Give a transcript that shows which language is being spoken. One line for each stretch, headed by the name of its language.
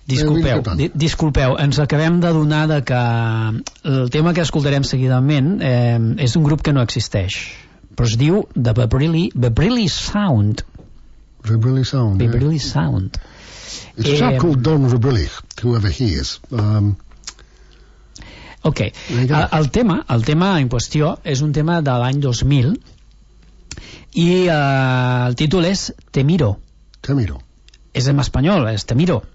Catalan: Disculpeu, disculpeu, ens acabem d'adonar que el tema que escoltarem seguidament és un grup que no existeix, però es diu The Babrilli Sound. Babrilli Sound.
English: Babrilli, yeah. Sound. It's a chap called Don Babrilli, whoever he is.
Catalan: Ok, el tema en qüestió és un tema de l'any 2000 i el títol és Te Miro. Te Miro. És en espanyol, és Te Miro.